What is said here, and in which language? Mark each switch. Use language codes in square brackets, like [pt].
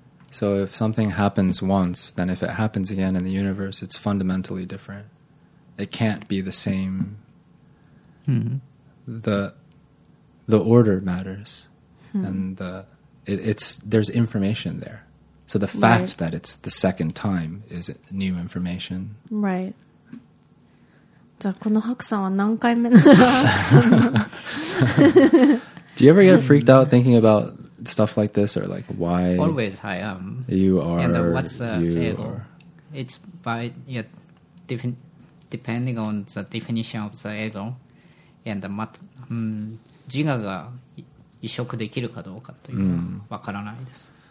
[en] So if something happens once, then if it happens again in the universe, it's fundamentally different. It can't be the same. Mm-hmm. The order matters. Mm-hmm. And there's information there. So the fact、right. that it's the second time is new information. Right. [ja] じゃあこのハクさんは何回目なの [en] Do you ever get freaked out thinking about stuff like this or like why? Always I am. You are. And what's ego? It's by yeah, depending on the definition of the ego and the mat, [ja] 自我が移植できるかどうかというのはわからないです。